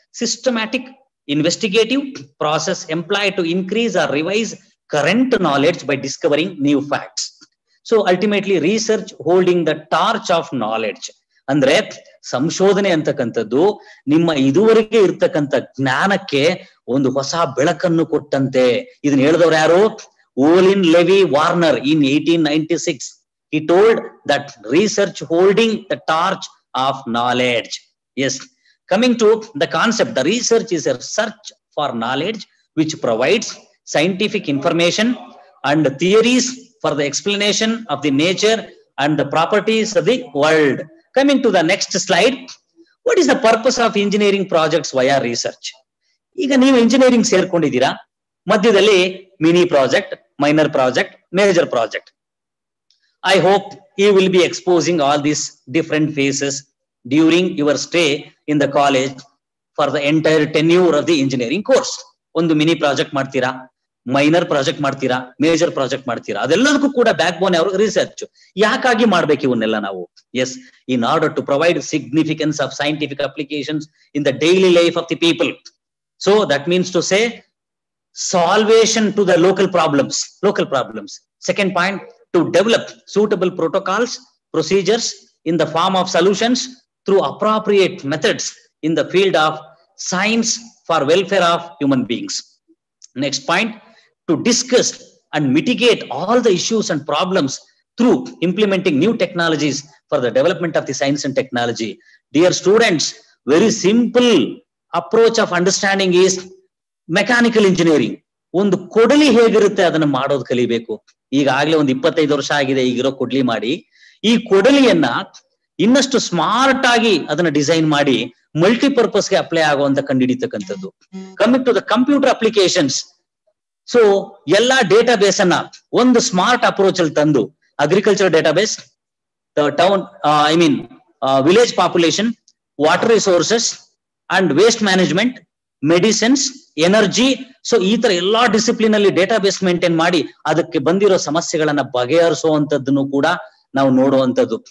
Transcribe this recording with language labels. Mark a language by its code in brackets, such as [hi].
[en] Systematic investigative process employed to increase or revise current knowledge by discovering new facts. So ultimately research holding the torch of knowledge. [kn] Andre samshodhane antakantadu nimma iduvarege irthakanta gnanakke ಒಂದು ಹೊಸ ಬೆಳಕನ್ನು ಕೊಟ್ಟಂತೆ. ಇದನ್ನ ಹೇಳಿದವರು ಯಾರು? ಓಲಿನ್ levy Warner. [en] In 1896 he told that research holding the torch of knowledge. Yes, coming to the concept, the research is a search for knowledge which provides scientific information and theories for the explanation of the nature and the properties of the world. Coming to the next slide, what is the purpose of engineering projects why are research? [kn] ಈಗ ನೀವು engineering ಸೇರ್ಕೊಂಡಿದ್ದೀರಾ, ಮಧ್ಯದಲ್ಲಿ mini project, minor project, major project. [en] I hope you will be exposing all these different phases during your stay in the college for the entire tenure of the engineering course. [kn] ಒಂದು mini project ಮಾಡ್ತೀರಾ, minor project ಮಾಡ್ತೀರಾ, major project ಮಾಡ್ತೀರಾ, ಅದೆಲ್ಲದಕ್ಕೂ ಕೂಡ back ಬೋನ್ ಯಾವ research. ಯಾಕಾಗಿ ಮಾಡ್ಬೇಕು ಇವನ್ನೆಲ್ಲ ನಾವು? [en] Yes, in order to provide significance of scientific applications in the daily life of the people. So that means to say, solvation to the local problems. Second point, to develop suitable protocols, procedures in the form of solutions through appropriate methods in the field of science for welfare of human beings. Next point, to discuss and mitigate all the issues and problems through implementing new technologies for the development of the science and technology. Dear students, very simple approach of understanding is mechanical engineering. [kn] ಒಂದು ಕೊಡಲಿ ಹೇಗಿರುತ್ತೆ ಅದನ್ನ ಮಾಡೋದು ಕಲಿಬೇಕು. ಈಗಾಗಲೇ ಒಂದು 25 ವರ್ಷ ಆಗಿದೆ ಈಗಿರೋ ಕೊಡಲಿ ಮಾಡಿ, ಈ ಕೊಡಲಿಯನ್ನ ಇನ್ನಷ್ಟು ಸ್ಮಾರ್ಟ್ ಆಗಿ ಅದನ್ನ ಡಿಸೈನ್ ಮಾಡಿ ಮಲ್ಟಿಪರ್ಪಸ್ ಗೆ ಅಪ್ಲೈ ಆಗುವಂತ ಕಂಡಿಡಿತಕ್ಕಂಥದ್ದು. [en] coming to the computer applications, [kn] so ಎಲ್ಲಾ ಡೇಟಾಬೇಸ್ ಅನ್ನ ಒಂದು ಸ್ಮಾರ್ಟ್ ಅಪ್ರೋಚ್ ಅಲ್ಲಿ ತಂದು, agriculture database, [en] the town I mean village population, water resources and waste management, [kn] medicines, energy, so ಈ ತರ ಎಲ್ಲಾ ಡಿಸಿಪ್ಲಿನ್ ಅಲ್ಲಿ ಡೇಟಾಬೇಸ್ ಮೇಂಟೈನ್ ಮಾಡಿ ಅದಕ್ಕೆ ಬಂದಿರೋ ಸಮಸ್ಯೆಗಳನ್ನ ಬಗೆಹರಿಸುವಂತದ್ದನ್ನು ಕೂಡ ನಾವು ನೋಡುವಂತದ್ದು.